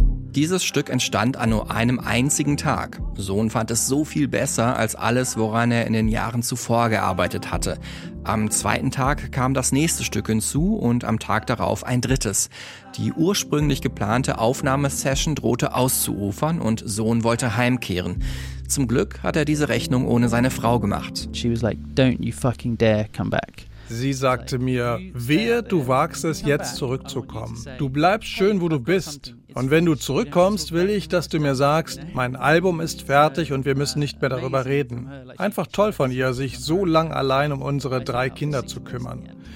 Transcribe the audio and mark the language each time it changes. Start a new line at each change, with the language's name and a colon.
German: Dieses Stück entstand an nur einem einzigen Tag. Sohn fand es so viel besser als alles, woran er in den Jahren zuvor gearbeitet hatte. Am zweiten Tag kam das nächste Stück hinzu und am Tag darauf ein drittes. Die ursprünglich geplante Aufnahmesession drohte auszuufern und Sohn wollte heimkehren. Zum Glück hat er diese Rechnung ohne seine Frau gemacht.
English: She was like, "Don't you fucking dare come back."
German: Sie sagte mir, wehe, du wagst es, jetzt zurückzukommen. Du bleibst schön, wo du bist. Und wenn du zurückkommst, will ich, dass du mir sagst, mein Album ist fertig und wir müssen nicht mehr darüber reden. Einfach toll von ihr, sich so lang allein um unsere 3 Kinder zu kümmern.